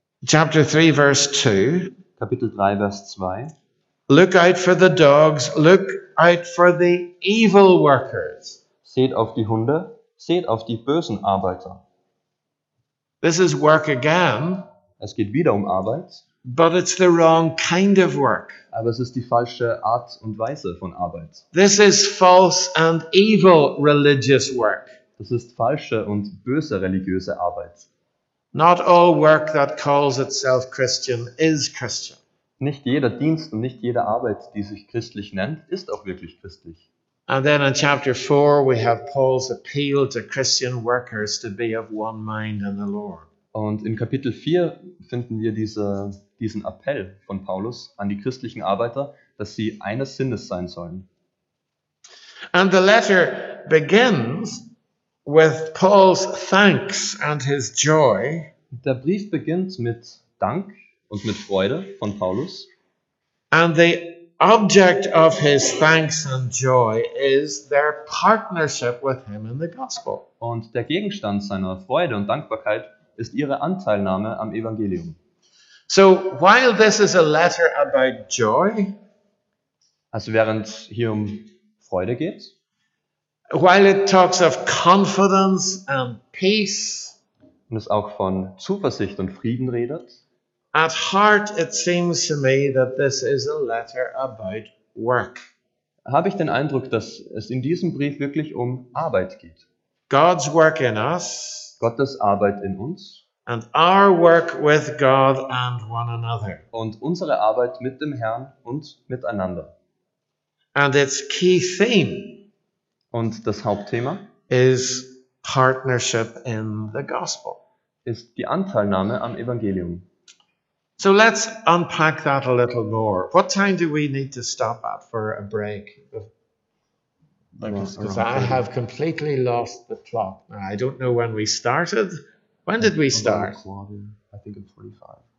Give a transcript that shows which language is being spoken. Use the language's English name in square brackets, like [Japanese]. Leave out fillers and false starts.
[English] Chapter 3, verse 2. [German] Kapitel 3, Vers 2. [English] Look out for the dogs, look out for the evil workers. [German] Seht auf die Hunde, seht auf die bösen Arbeiter. [English] This is work again. [German] Es geht wieder um Arbeit. [English] But it's the wrong kind of work. [German] Aber es ist die falsche Art und Weise von Arbeit. [English] This is false and evil religious work. [German] Das ist falsche und böse religiöse Arbeit. [English] Not all work that calls itself Christian is Christian. [German] Nicht jeder Dienst und nicht jede Arbeit, die sich christlich nennt, ist auch wirklich christlich. [English] And then in chapter 4 we have Paul's appeal to Christian workers to be of one mind in the Lord. [German] Und in Kapitel 4 finden wir diesen Appell von Paulus an die christlichen Arbeiter, dass sie eines Sinnes sein sollen. [English] And the letter begins with Paul's thanks and his joy. [German] Der Brief beginnt mit Dank und mit Freude von Paulus. [English] And the object of his thanks and joy is their partnership with him in the gospel. [German] Und der Gegenstand seiner Freude und Dankbarkeit ist ihre Anteilnahme am Evangelium. [English] So while this is a letter about joy, [German] also während hier um Freude geht, [English] while it talks of confidence and peace, [German] und es auch von Zuversicht und Frieden redet, [English] at heart it seems to me that this is a letter about work. [German] Habe ich den Eindruck, dass es in diesem Brief wirklich um Arbeit geht. [English] God's work in us, [German] Gottes Arbeit in uns, [English] and our work with God and one another, [German] und unsere Arbeit mit dem Herrn und miteinander. [English] And its key theme, [German] und das Hauptthema, [English] is partnership in the gospel, [German] ist die Anteilnahme am Evangelium. [English] So let's unpack that a little more. What time do we need to stop at for a break? Because I have completely lost the clock. I don't know when we started. When did we start? I think at 45.